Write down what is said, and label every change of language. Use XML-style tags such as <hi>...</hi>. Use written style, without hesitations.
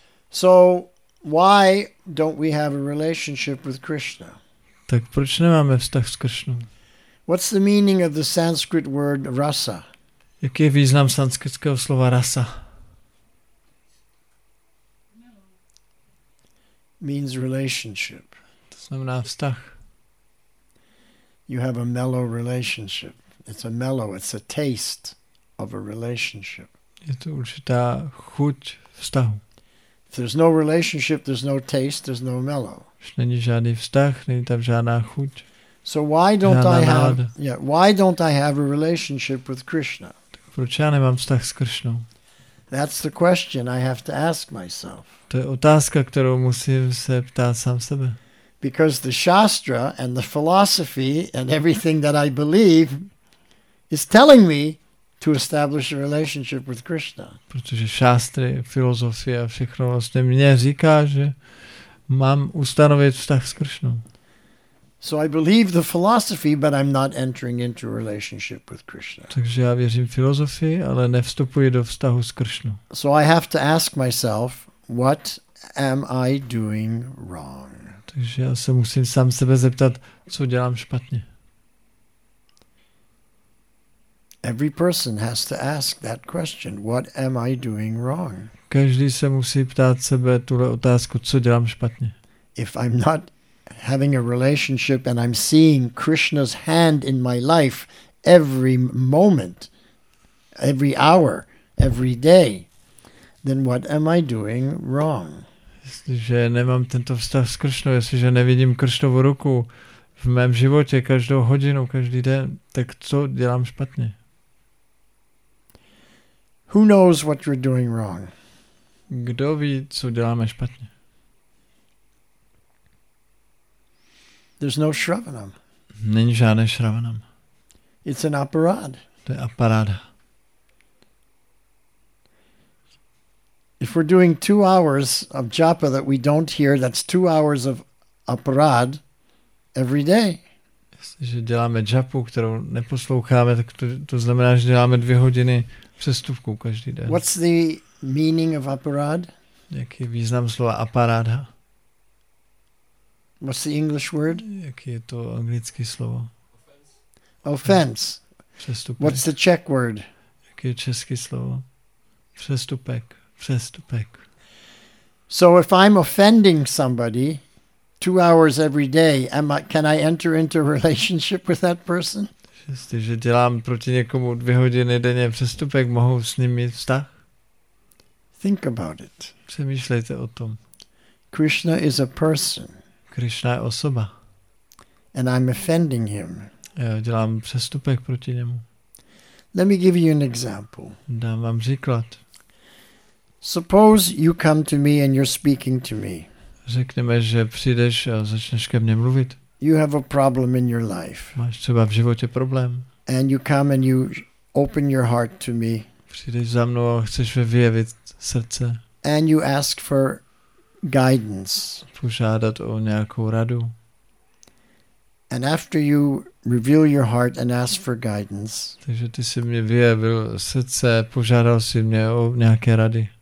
<en>So why don't we have a relationship with Krishna?</en> <cs>Tak proč nemáme vztah s Krishnou?</cs> <en>What's the meaning of the Sanskrit word rasa?</en> <cs>Jaký je význam sanskritského slova rasa?</cs> <en>Means relationship.</en> <cs>To znamená vztah.</cs> <en>You have a mellow relationship. It's a mellow, it's a taste of a relationship.</en> <cs>Je to určitá chuť vztahu.</cs> <en>If there's no relationship, there's no taste, there's no mellow.</en> <cs>Když není žádný vztah, není tam žádná chuť.</cs> <en>So why don't I have, why don't I have a relationship with Krishna?</en> <cs>Proč já nemám vztah s Krishnou?</cs> <en>That's the question I have to ask myself.</en> <cs>To je otázka, kterou musím se ptát sám sebe.</cs> <en>Because the shastra and the philosophy and everything that I believe is telling me to establish a relationship with Krishna.</en> <cs>Protože šástry, filozofie a všechno vlastně mě říká, že mám ustanovit vztah s Krishnou.</cs> <en>So I believe the philosophy, but I'm not entering into a relationship with Krishna.</en> <cs>Takže já věřím filozofii, ale nevstupuji do vztahu s Krishnou.</cs> <en>So I have to ask myself, what am I doing wrong?</en> <cs>Takže já se musím sám sebe zeptat, co dělám špatně.</cs> <en>Every person has to ask that question, what am I doing wrong?</en> <cs>Každý se musí ptát sebe tuhle otázku, co dělám špatně.</cs> <en>If I'm not having a relationship and I'm seeing Krishna's hand in my life every moment, every hour, every day, then what am I doing wrong?</en> <cs>Jestliže nemám tento vztah s Krishnou, jestliže nevidím Krishnovu ruku v mém životě každou hodinu, každý den, tak co dělám špatně?</cs> <en>Who knows what you're doing wrong?</en> <cs>Kdo ví, co děláme špatně?</cs> <en>There's no shravanam.</en> <cs>Není žádné shravanam.</cs> <en>It's an aparad.</en> <cs>To je aparada.</cs> <en>If we're doing 2 hours of japa that we don't hear, that's 2 hours of aparad every day.</en> <cs>Jestliže děláme japu, kterou neposloucháme, tak to znamená, že děláme 2 hodiny přestupku každý den.</cs> <en>What's the meaning of aparad?</en> <cs>Jaký je význam slova aparada?</cs> <en>What's the English word?</en> <cs>Jaký je to anglické slovo?</cs> <en>Offense.</en> <cs>Přestupek.</cs> <en>What's the Czech word?</en> <cs>Jaký je české slovo? Přestupek. Přestupek.</cs> <en>So if I'm offending somebody 2 hours every day, can I enter into a relationship with that person?</en> <cs>Jestliže dělám proti někomu 2 hodiny denně přestupek, mohu s ním mít vztah?</cs> <en>Think about it.</en> <cs>Přemýšlejte o tom.</cs> <en>Krishna is a person.</en> <cs>Krishna je osoba.</cs> <en>And I'm offending him.</en> <cs>Já dělám přestupek proti němu.</cs> <en>Let me give you an example.</en> <cs>Dám vám příklad.</cs> <en>Suppose you come to me and you're speaking to me.</en> <cs>Řekněme, že přijdeš a začneš ke mně mluvit.</cs> <en>You have a problem in your life.</en> <cs>Máš třeba v životě problém.</cs> <en>And you come and you open your heart to me.</en> <cs>Přijdeš za mnou a chceš mi vyjevit srdce.</cs> <en>And you ask for guidance.</en> <cs>Požádat o nějakou radu.</cs> <en>And after you reveal your heart and ask for guidance.</en> <cs>Takže ty jsi mi vyjevil srdce, požádal jsi mě o nějaké rady.</cs>